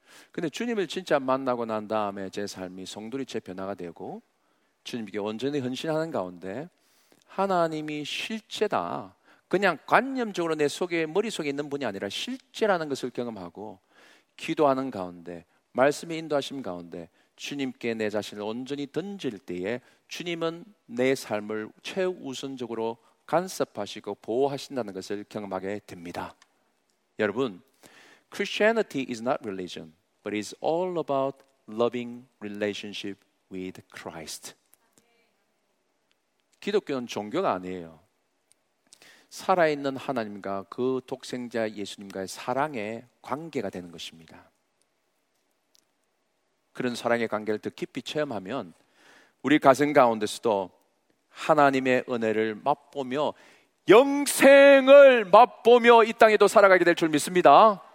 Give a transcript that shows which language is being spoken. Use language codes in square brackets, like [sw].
[ko] 근데 주님을 진짜 만나고 난 다음에 제 삶이 송두리째 변화가 되고 주님께 온전히 헌신하는 가운데 하나님이 실제다, 그냥 관념적으로 내 속에 머릿속에 있는 분이 아니라 실제라는 것을 경험하고 기도하는 가운데 말씀의 인도하심 가운데 주님께 내 자신을 온전히 던질 때에 주님은 내 삶을 최우선적으로 간섭하시고 보호하신다는 것을 경험하게 됩니다. [en] 여러분, Christianity is not religion, but it's all about loving relationship with Christ. [ko] 기독교는 종교가 아니에요. 살아있는 하나님과 그 독생자 예수님과의 사랑의 관계가 되는 것입니다. 그런 사랑의 관계를 더 깊이 체험하면 우리 가슴 가운데서도 하나님의 은혜를 맛보며 영생을 맛보며 이 땅에도 살아가게 될 줄 믿습니다.